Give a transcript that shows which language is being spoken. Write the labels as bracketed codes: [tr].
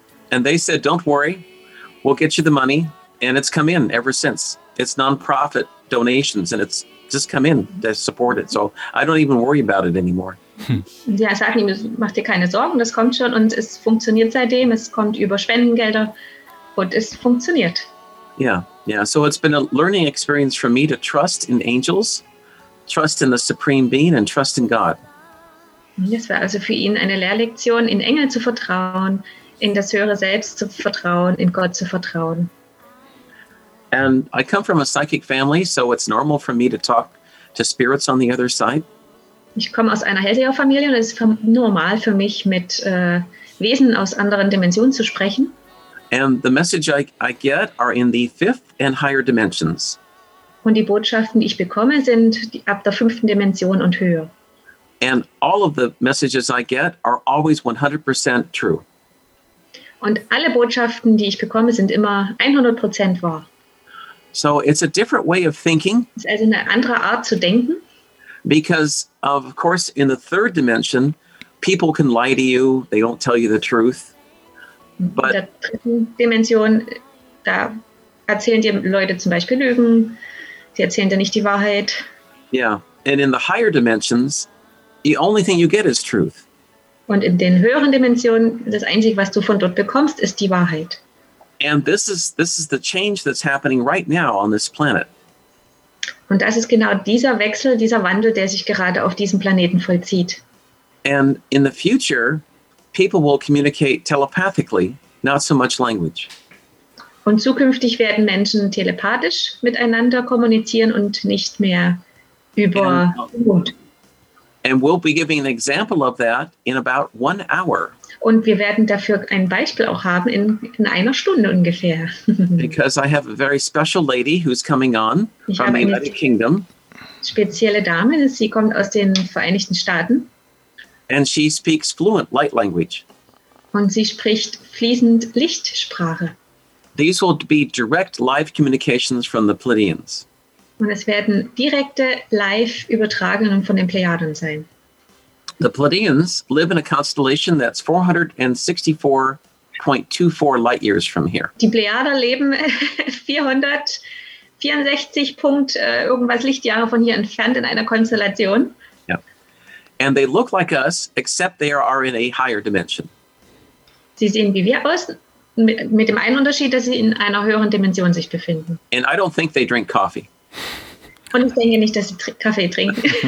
[en] And they said, don't worry, we'll get you the money, and it's come in ever since. It's non-profit donations, and it's just come in to support it. So I don't even worry about it anymore. [de] Ja, sag ihm, mach dir keine Sorgen, das kommt schon, und es funktioniert seitdem, es kommt über Spendengelder. Und es funktioniert. [en] Yeah. So it's been a learning experience for me to trust in angels, trust in the supreme being, and trust in God. [de] Es war also für ihn eine Lehrlektion, in Engel zu vertrauen, in das höhere Selbst zu vertrauen, in Gott zu vertrauen. [en] And I come from a psychic family, so it's normal for me to talk to spirits on the other side. [de] Ich komme aus einer Hellseherfamilie und es ist normal für mich, mit Wesen aus anderen Dimensionen zu sprechen. [en] And the message I get are in the 5th and higher dimensions. [de] Und die Botschaften, die ich bekomme, sind ab der 5. Dimension und höher. [en] And all of the messages I get are always 100% true. [de] Und alle Botschaften, die ich bekomme, sind immer 100% wahr. [en] So it's a different way of thinking. [de] Es ist also eine andere Art zu denken. [en] Because of course in the 3rd dimension, people can lie to you, they don't tell you the truth. [de] But in der 3. Dimension, da erzählen dir Leute zum Beispiel Lügen, sie erzählen dir nicht die Wahrheit. [en] Yeah, and in the higher dimensions, the only thing you get is truth. [de] Und in den höheren Dimensionen, das Einzige, was du von dort bekommst, ist die Wahrheit. [en] And this is the change that's happening right now on this planet. [de] Und das ist genau dieser Wechsel, dieser Wandel, der sich gerade auf diesem Planeten vollzieht. [en] And in the future, people will communicate telepathically, not so much language. [de] Und zukünftig werden Menschen telepathisch miteinander kommunizieren und nicht mehr über Mund. [en] And we'll be giving an example of that in about 1 hour. [de] Und wir werden dafür ein Beispiel auch haben in einer Stunde ungefähr. [en] Because I have a very special lady who's coming on from the United Kingdom. [de] Spezielle Dame, sie kommt aus den Vereinigten Staaten. [en] And she speaks fluent light language. [de] Und sie spricht fließend Lichtsprache. [en] These will be direct live communications from the Pleiadians. [de] Und es werden direkte Live-Übertragungen von den Plejaden sein. [en] The Pleiadians live in a constellation that's 464.24 light years from here. [de] Die Plejader leben 464 Punkt irgendwas Lichtjahre von hier entfernt in einer Konstellation. [en] And they look like us, except they are in a higher dimension. [de] Sie sehen wie wir aus, mit dem einen Unterschied, dass sie in einer höheren Dimension sich befinden. [en] And I don't think they drink coffee. [de] Und ich denke nicht, dass sie Kaffee trinken.